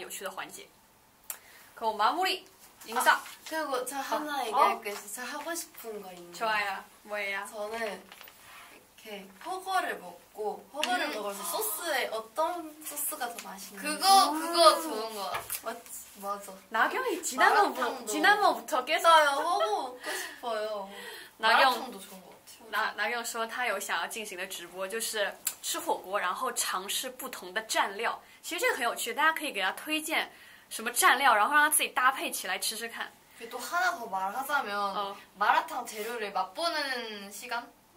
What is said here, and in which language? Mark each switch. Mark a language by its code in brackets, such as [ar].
[zh] 大家在超话里面就是告诉我们下一次想要看什么，然后我们也会经常利用超话跟大家多交流的。在那个时候告诉我们的话，我们下次直播的时候也会为大家准备这样有趣的环节。 [ko] 그 마무리 인사. 그리고 저 하나 얘기할 게 있어. 저 하고 싶은 거 있는. 좋아요. 뭐예요? 저는 이렇게 허거를 먹고 허거를 먹어서 소스에 어떤 소스가 더 맛있는지 그거 좋은 거 맞지 맞아 나경이 지난번부터 깨져요 허거 먹고 싶어요 마라탕도 좋은 거 [zh] 나경说他有想要进行的直播就是吃火锅然后尝试不同的蘸料其实这个很有趣大家可以给他推荐什么蘸料然后让他自己搭配起来吃吃看 [ko] 또 하나 더 말하자면 마라탕 재료를 맛보는 시간